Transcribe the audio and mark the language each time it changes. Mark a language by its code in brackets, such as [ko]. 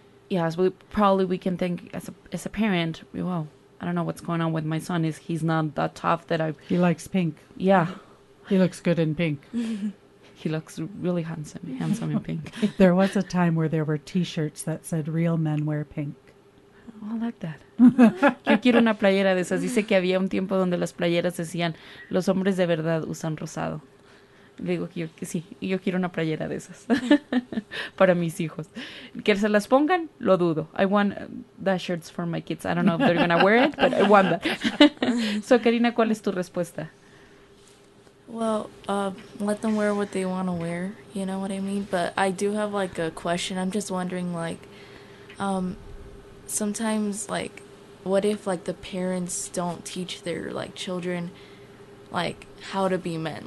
[en] Yes, we can think as a parent, well, I don't know what's going on with my son. He's not that tough that I... He likes pink. Yeah. He looks good in pink. He looks really handsome in pink. There was a time where there were t-shirts that said, real men wear pink. I like that. [es] Yo quiero una playera de esas. Dice que había un tiempo donde las playeras decían, los hombres de verdad usan rosado. Le digo que yo, sí, yo quiero una playera de esas para mis hijos. Que se las pongan, lo dudo. [en] I want that shirts for my kids. I don't know if they're going to wear it, but I want that. [es] So, Karina, ¿cuál es tu respuesta? [en] Well, let them wear what they want to wear, you know what I mean? But I do have, like, a question. I'm just wondering, like, sometimes, like, what if, like, the parents don't teach their, like, children, like, how to be men?